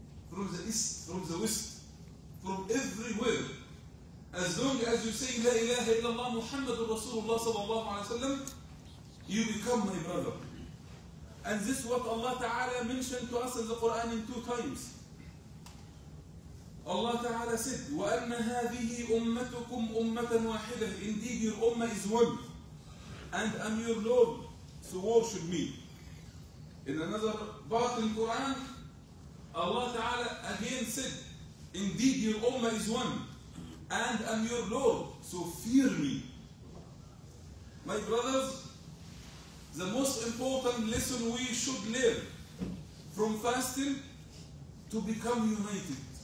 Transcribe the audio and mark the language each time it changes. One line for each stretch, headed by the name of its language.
English: From the east, from the west, from everywhere. As long as you say La ilaha illallah Muhammadur Rasulullah sallallahu alayhi wa sallam, you become my brother. And this is what Allah Ta'ala mentioned to us in the Quran in two times. Allah Ta'ala said,
Arabic: وَأَنَّ هَذِهِ أُمَّتُكُمْ أُمَّةً وَاحِدَةً.
English: Indeed, your ummah is one. And I'm your Lord, so worship me. In another part in Quran, Allah Ta'ala again said, indeed, your ummah is one. And I'm your Lord, so fear me. My brothers, the most important lesson we should learn from fasting, to become united.